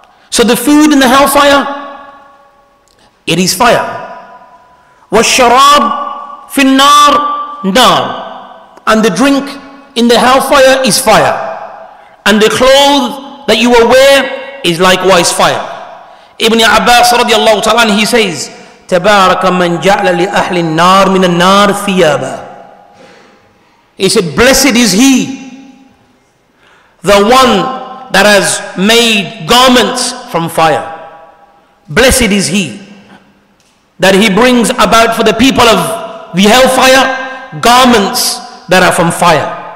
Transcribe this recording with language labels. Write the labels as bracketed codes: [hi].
[en] So the food in the hellfire, it is fire. [ar] والشراب في النار نار. [en] And the drink in the hellfire is fire. And the clothes that you will wear is likewise fire. Ibn Abbas [ar] رضي الله تعالى عنه, [en] he says, [ar] تبارك من جعل لأهل النار من النار ثيابا. [en] He said, blessed is he, the one that has made garments from fire. Blessed is he, that he brings about for the people of the hellfire, garments that are from fire.